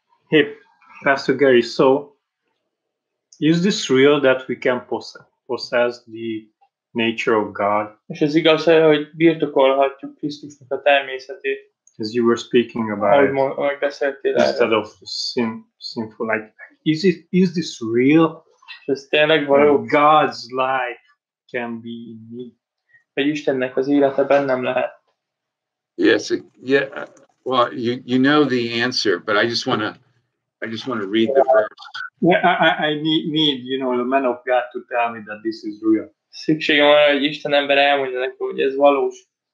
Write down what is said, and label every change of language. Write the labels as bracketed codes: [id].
[en] Hey, Pastor Gary, so is this real that we can possess the nature of God? [hu] És ez igaz, hogy birtokolhatjuk Krisztusnak a természetét. [en] As you were speaking about instead of sinful, like is this real? [hu] És ez tényleg való. [en] God's life can be in me. [hu] Hogy Istennek az élete bennem lehet. [en] Yes. Yeah. Well, you know the answer, but I just want to read the verse. Yeah. I need you know the man of God to tell me that this is real. [hu] Szükségem van, hogy Isten ember elmondja nekem, hogy ez valós.